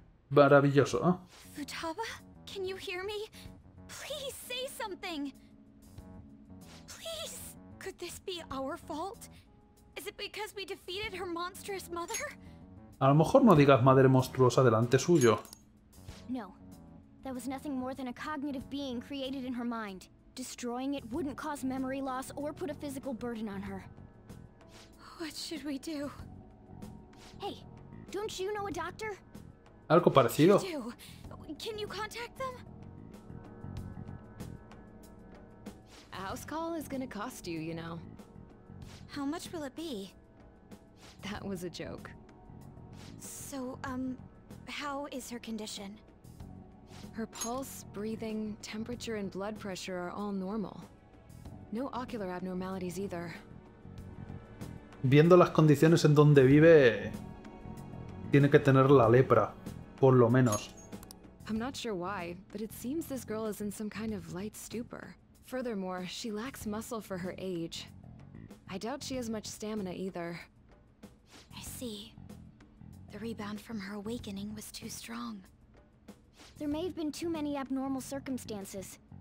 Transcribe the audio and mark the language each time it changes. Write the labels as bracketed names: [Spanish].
[Spanish] Maravilloso, ¿eh? [English] Futaba, can you hear me? Please say something. Please, could this be our fault? Is it because we defeated her monstrous mother? [Spanish] A lo mejor no digas madre monstruosa delante suyo. No. [English] That was nothing more than a cognitive being created in her mind. Destroying it wouldn't cause memory loss or put a physical burden on her. What should we do? Hey, don't you know a doctor? [Spanish] Algo parecido. [English] You do. Can you contact them? A house call is gonna cost you, you know. How much will it be? That was a joke. So, how is her condition? Her pulse, breathing, temperature, and blood pressure are all normal. No ocular abnormalities either. [Spanish] Viendo las condiciones en donde vive, tiene que tener la lepra, por lo menos. [English] I'm not sure why, but it seems this girl is in some kind of light stupor. Furthermore, she lacks muscle for her age. I doubt she has much stamina either. I see. The rebound from her awakening was too strong. There may have been too many abnormal circumstances.